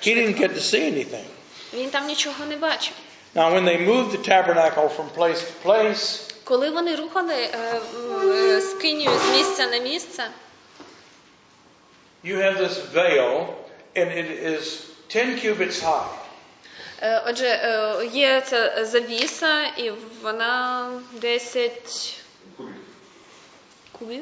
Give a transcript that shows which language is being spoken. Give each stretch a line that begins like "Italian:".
English: He didn't get to see anything.
Ukrainian: Він там нічого не бачив.
English: Now when they moved the tabernacle from place to place,
Ukrainian: коли вони рухали скинію з місця на місце,
English: you have this veil and it is 10 cubits high.
Ukrainian: Отже, є ця завіса, і вона 10 кубів.